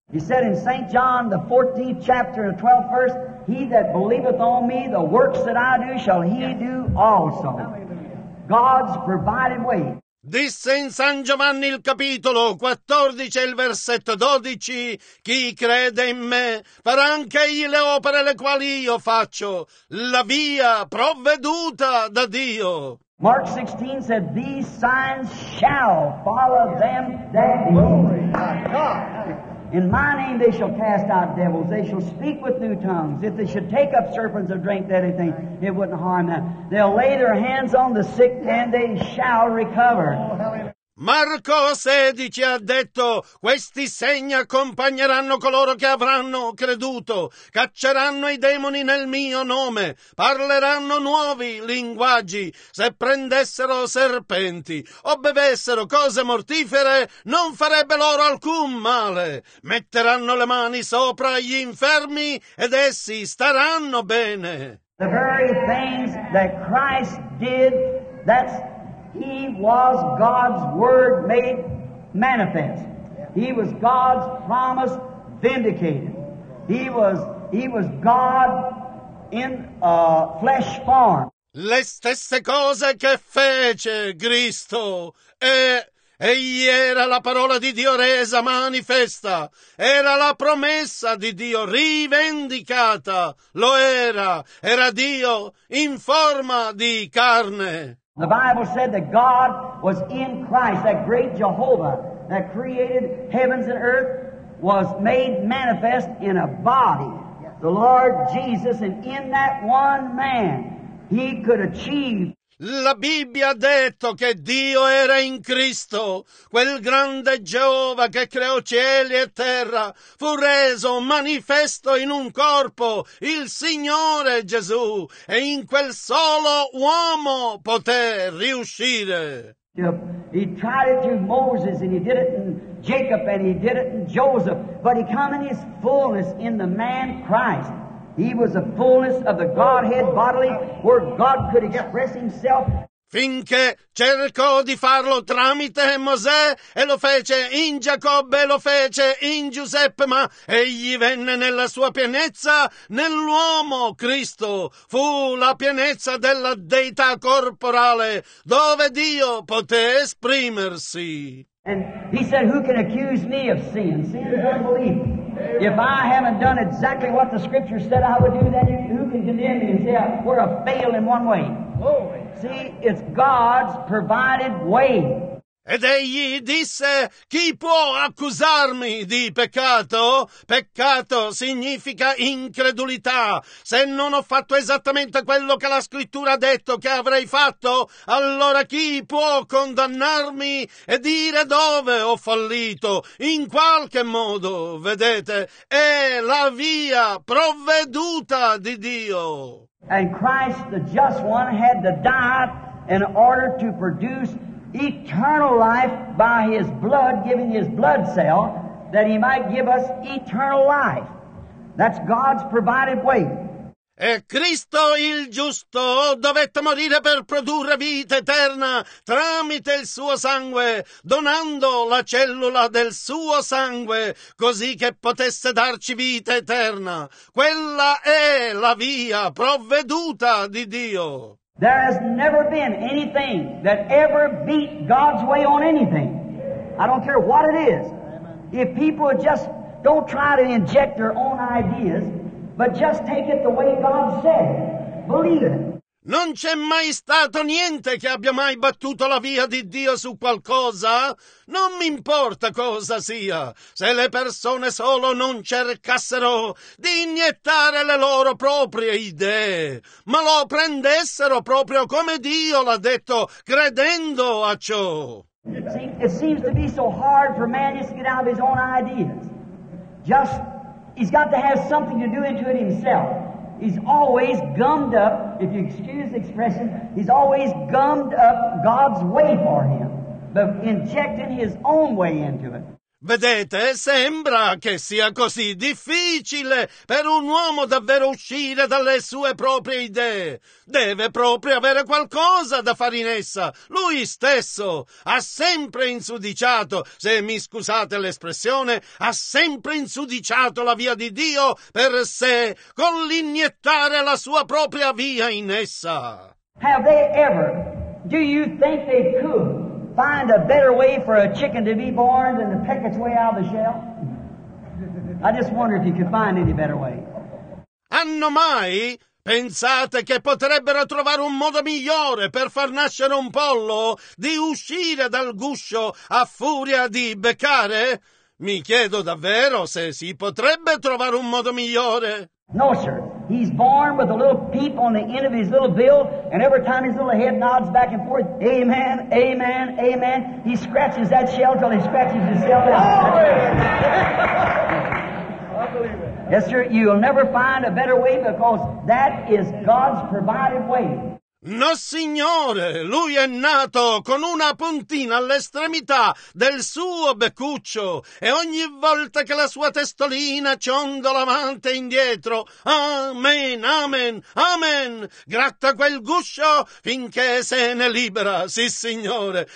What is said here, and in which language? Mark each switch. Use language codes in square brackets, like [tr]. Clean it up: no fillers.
[en] He said in St. John, the 14th chapter, the 12th verse, he that believeth on me, the works that I do, shall he do also. God's provided way. [it] Disse in San Giovanni il capitolo 14 e il versetto 12, chi crede in me farà anche io le opere le quali io faccio, la via provveduta da Dio. [en] Mark 16 said, these signs shall follow them that believe. In my name they shall cast out devils, they shall speak with new tongues. If they should take up serpents or drink anything, it wouldn't harm them. They'll lay their hands on the sick and they shall recover. [it] Marco 16 ha detto, questi segni accompagneranno coloro che avranno creduto, cacceranno i demoni nel mio nome, parleranno nuovi linguaggi, se prendessero serpenti o bevessero cose mortifere, non farebbe loro alcun male, metteranno le mani sopra gli infermi ed essi staranno bene. [en] The very things that Christ did, that's He was God's word made manifest. He was God's promise vindicated. He was God in a flesh form. [it] Le stesse cose che fece Cristo, egli era la parola di Dio resa manifesta, era la promessa di Dio rivendicata, lo era Dio in forma di carne. [en] The Bible said that God was in Christ, that great Jehovah that created heavens and earth was made manifest in a body, the Lord Jesus, and in that one man he could achieve. [it] La Bibbia ha detto che Dio era in Cristo, quel grande Geova che creò cieli e terra, fu reso manifesto in un corpo, il Signore Gesù, e in quel solo uomo poté riuscire. [en] He tried it through Moses, and he did it in Jacob, and he did it in Joseph, but he came in his fullness in the man Christ. He was the fullness of the Godhead bodily, where God could express himself. [it] Finché cercò di farlo tramite Mosè, e lo fece in Giacobbe, e lo fece in Giuseppe, ma egli venne nella sua pienezza nell'uomo Cristo. Fu la pienezza della deità corporale, dove Dio poté esprimersi. [en] And he said, who can accuse me of sin? Sin is unbelief. If I haven't done exactly what the Scripture said I would do, then who can condemn me and say we're a fail in one way? See, it's God's provided way. [it] Ed egli disse, chi può accusarmi di peccato? Peccato significa incredulità. Se non ho fatto esattamente quello che la Scrittura ha detto che avrei fatto, allora chi può condannarmi e dire dove ho fallito? In qualche modo, vedete, è la via provveduta di Dio. [en] And Christ, the just one, had to die in order to produce eternal life by his blood, giving his blood cell, that he might give us eternal life. That's God's provided way. [it] E Cristo il giusto dovette morire per produrre vita eterna tramite il suo sangue, donando la cellula del suo sangue, così che potesse darci vita eterna. Quella è la via provveduta di Dio. [en] There has never been anything that ever beat God's way on anything. I don't care what it is. If people just don't try to inject their own ideas, but just take it the way God said, believe it. [it] Non c'è mai stato niente che abbia mai battuto la via di Dio su qualcosa. Non mi importa cosa sia, se le persone solo non cercassero di iniettare le loro proprie idee, ma lo prendessero proprio come Dio l'ha detto, credendo a ciò. [en] See, it seems to be so hard for man just to get out of his own ideas. Just, he's got to have something to do into it himself. He's always gummed up, if you excuse the expression, he's always gummed up God's way for him, but injecting his own way into it. [it] Vedete, sembra che sia così difficile per un uomo davvero uscire dalle sue proprie idee. Deve proprio avere qualcosa da fare in essa. Lui stesso ha sempre insudiciato, se mi scusate l'espressione, ha sempre insudiciato la via di Dio per sé con l'iniettare la sua propria via in essa. [en] Have they ever, do you think they could find a better way for a chicken to be born than to peck its way out of the shell? I just wonder if you could find any better way. [it] Hanno mai pensate che potrebbero trovare un modo migliore per far nascere un pollo di uscire dal guscio a furia di beccare? Mi chiedo davvero se si potrebbe trovare un modo migliore. [en] No, sir. He's born with a little peep on the end of his little bill, and every time his little head nods back and forth, amen, amen, amen, he scratches that shell till he scratches himself out. I believe it. Yes, sir, you'll never find a better way because that is God's provided way. [it] No, signore, lui è nato con una puntina all'estremità del suo beccuccio e ogni volta che la sua testolina ciondola avanti e indietro, amen, amen, amen, gratta quel guscio finché se ne libera, sì, signore.